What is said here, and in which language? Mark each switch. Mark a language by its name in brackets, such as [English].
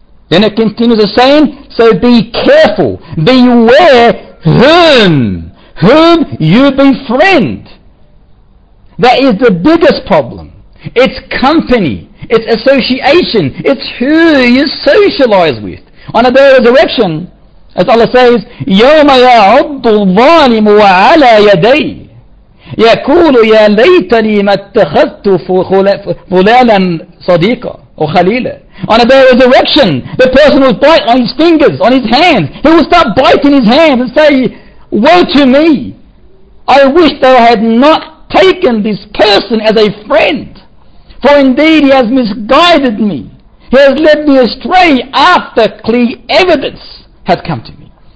[English] Then it continues the same. So be careful, beware whom you befriend. That is the biggest problem. It's company, it's association, it's who you socialize with. On a day of resurrection, as Allah says, [Arabic] يَوْمَ يَعُضُّ الظَّالِمُ وَعَلَى يَدَيْهِ يَكُولُ يَا لَيْتَنِي مَتَّخَذْتُ فُلَالًا صَدِيقًا or خَلِيلًا. [English] On a day of resurrection, the person will bite on his fingers, on his hands. He will start biting his hands and say, woe to me. I wish that I had not taken this person as a friend. For indeed he has misguided me. He has led me astray after clear evidence has come to me.